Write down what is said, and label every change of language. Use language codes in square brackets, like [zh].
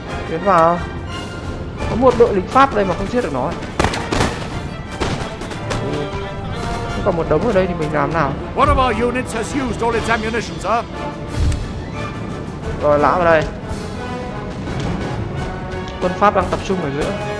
[vi] Tiến vào. Có một đội lính Pháp đây mà không giết được nó. Không còn một đống ở đây thì mình làm nào? [en] One of our units has used all its ammunition, sir. [vi] Rồi lã vào đây. Quân Pháp đang tập trung ở giữa.